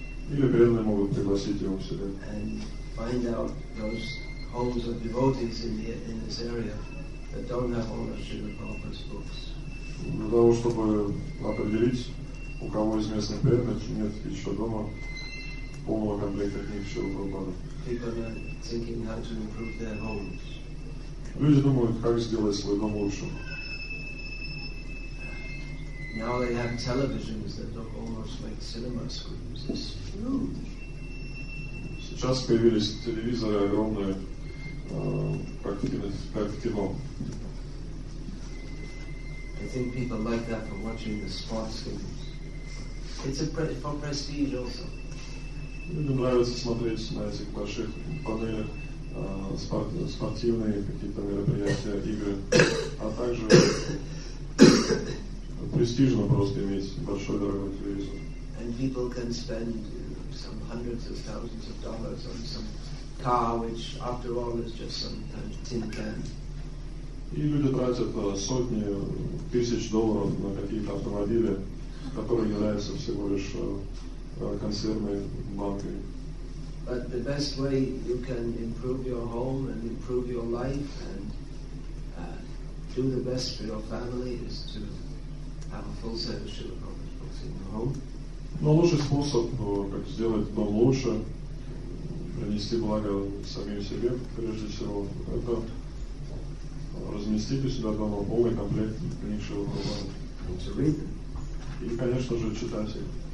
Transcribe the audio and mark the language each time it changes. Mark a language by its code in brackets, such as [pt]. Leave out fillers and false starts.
[ru] Или преданные могут пригласить его к себе. [en] And find out those homes of devotees in this area. That don't have ownership of Prabhupada's books. [ru] Для того, чтобы определить, у кого из местных преданных нет еще дома полного комплекта книг Шрилы Прабхупады. [en] People are thinking how to improve their homes. [ru] Люди думают, как сделать свой дом лучше. [en] Now they have televisions that look almost like cinema screens. It's huge. [ru] Сейчас появились телевизоры огромные. Как кино. [en] I think people like that for watching the sports games. It's a for prestige also. [ru] Мне нравится смотреть на этих больших панелях спортивные какие-то мероприятия, игры, а также престижно просто иметь большой дорогой телевизор. [en] And people can spend some hundreds of thousands of dollars on some car, which after all is just some kind of tin can. [ru] И люди тратят сотни тысяч долларов на какие-то автомобили, которые являются всего лишь консервной банкой. [en] But the best way you can improve your home and improve your life and do the best for your family is to have a full set of Srila Prabhupada's books in your home. [ru] Но лучший способ, как сделать дом лучше, принести благо самим себе, прежде всего, это разместить у себя дома полный комплект книг Шрилы Прабхупады. И, конечно же, читать их.